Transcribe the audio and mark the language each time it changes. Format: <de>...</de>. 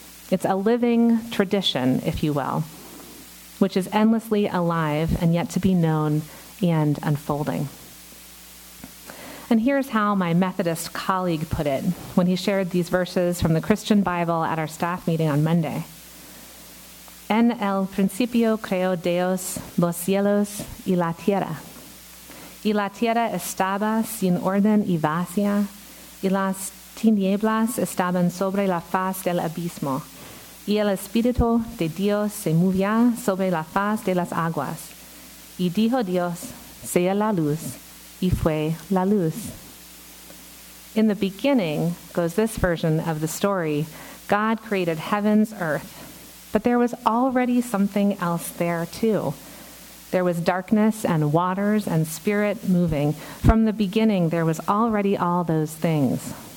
<en>It's a living tradition, if you will, which is endlessly alive and yet to be known and unfolding. And here's how my Methodist colleague put it when he shared these verses from the Christian Bible at our staff meeting on Monday.</en> <es>En el principio creó Dios los cielos y la tierra. Y la tierra estaba sin orden y vacía, y las tinieblas estaban sobre la faz del abismo. Y el Espíritu de Dios se movía sobre la faz de las aguas. Y dijo Dios, sea la luz, y fue la luz.</es> <en>In the beginning, goes this version of the story, God created heaven's earth. But there was already something else there too. There was darkness and waters and spirit moving. From the beginning, there was already all those things.</en>